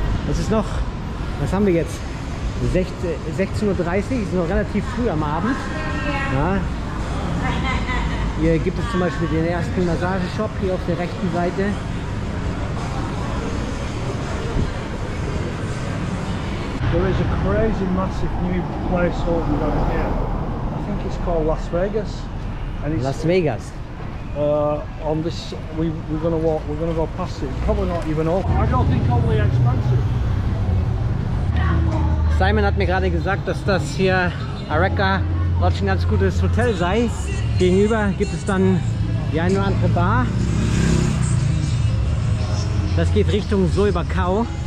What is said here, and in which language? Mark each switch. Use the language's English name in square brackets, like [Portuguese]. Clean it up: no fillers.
[German] Es ist noch, was haben wir jetzt? 16.30 Uhr, ist noch relativ früh am Abend. Ja. Hier gibt es zum Beispiel den ersten Massageshop hier auf der rechten Seite. [English] There is a crazy massive new place opening over here. I think it's called Las Vegas. And it's Las Vegas. On this, we're gonna walk. We're gonna go past it. Probably not even open. I don't think only expensive. [German] Simon hat mir gerade gesagt, dass das hier Areca Lodge ein ganz gutes Hotel sei. Gegenüber gibt es dann die eine oder andere Bar. Das geht Richtung Soi Bakau.